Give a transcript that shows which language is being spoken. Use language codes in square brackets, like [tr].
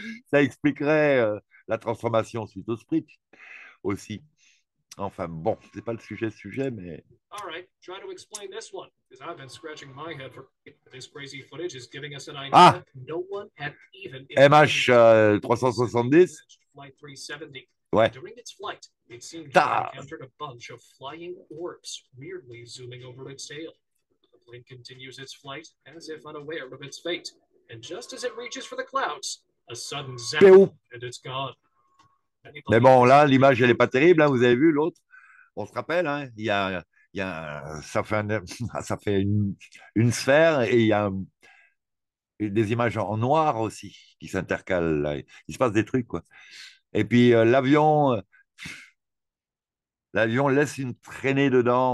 [fr] Ça expliquerait la transformation suite au Sprite aussi. Enfin, bon, c'est pas le sujet, mais... [en] All right, try to explain this one, because I've been scratching my head for... This crazy footage is giving us an idea that no one had even... MH370. Ouais. During its flight, it seemed to have encountered a bunch of flying orbs weirdly zooming over its tail. The plane continues its flight as if unaware of its fate. And just as it reaches for the clouds, a sudden zap, and it's gone. [fr] Mais bon, là, l'image, elle n'est pas terrible. Hein. Vous avez vu l'autre. On se rappelle, hein. il y a, ça fait une sphère et il y a des images en noir aussi qui s'intercalent. Là. Il se passe des trucs, quoi. Et puis, l'avion laisse une traînée dedans.